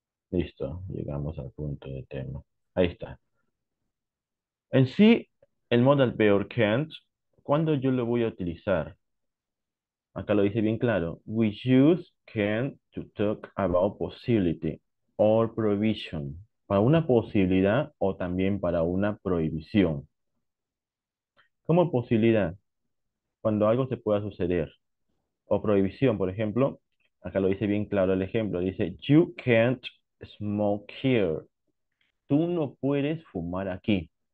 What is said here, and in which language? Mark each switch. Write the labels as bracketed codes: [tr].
[es] Listo, llegamos al punto de tema. Ahí está. En sí, el modal verb can't, ¿cuándo yo lo voy a utilizar? Acá lo dice bien claro. [en] We use can to talk about possibility or prohibition. [es] Para una posibilidad o también para una prohibición. ¿Cómo posibilidad? Cuando algo se pueda suceder. O prohibición, por ejemplo. Acá lo dice bien claro el ejemplo. Dice, [en] you can't smoke here. [es] Tú no puedes fumar aquí.